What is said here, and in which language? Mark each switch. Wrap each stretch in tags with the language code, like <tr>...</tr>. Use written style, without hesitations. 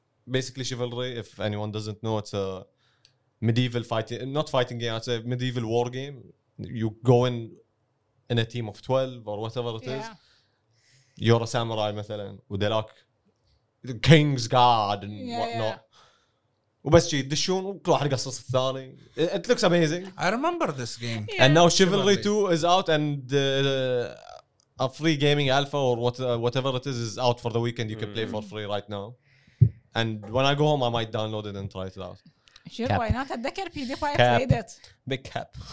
<en>Basically, Chivalry, if anyone doesn't know, it's a medieval not fighting game, it's a medieval war game. You go in a team of 12 or whatever it is. You're a samurai, مثلا, with the king's guard and whatnot.</en> <ar>وبس شي دشون وكل واحد قصص الثاني.</ar> <en>It looks amazing. I remember this game. Yeah. And now Chivalry 2 is out and a free gaming alpha or whatever it is out for the weekend. You can play for free right now. And when I go home, I might download it and try it out. Sure, cap. Why not? أتذكر PewDiePie played it. Big cap.</en>